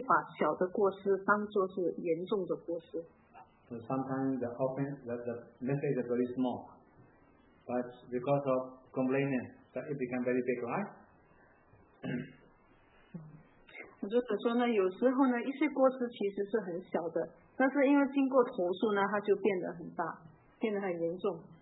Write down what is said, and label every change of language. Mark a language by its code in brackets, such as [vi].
[zh] 阿巴萨瓦加就是很小的过失，然后这个马哈萨瓦加就是很严重的过失。那一个没有智慧的人呢，他会把小的过失当做是严重的过失。 [en] So sometimes the offense, the message is very small, but because of complaining, that it becomes very big, right? [zh] 就是说呢，有时候呢，一些过失其实是很小的，但是因为经过投诉呢，它就变得很大，变得很严重。